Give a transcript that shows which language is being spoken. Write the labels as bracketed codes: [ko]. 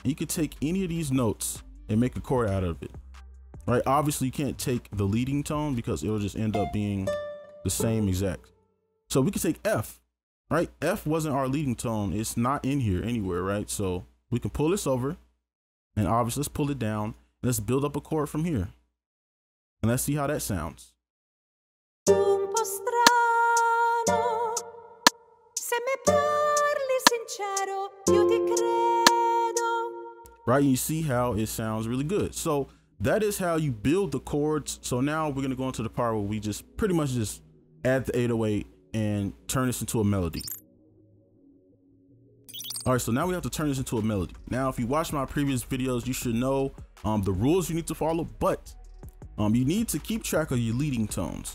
[en] You could take any of these notes and make a chord out of it. Right, obviously you can't take the leading tone because it'll just end up being the same exact. So we can take F, right? F wasn't our leading tone. It's not in here anywhere, right? So we can pull this over and obviously let's pull it down. Let's build up a chord from here. And let's see how that sounds. [it] Un po' strano, se mi parli sincero, io ti credo. [en] Right, you see how it sounds really good. So that is how you build the chords. So now we're going to go into the part where we just pretty much just add the 808 and turn this into a melody. All right, so now we have to turn this into a melody. Now, if you watched my previous videos, you should know the rules you need to follow, but you need to keep track of your leading tones.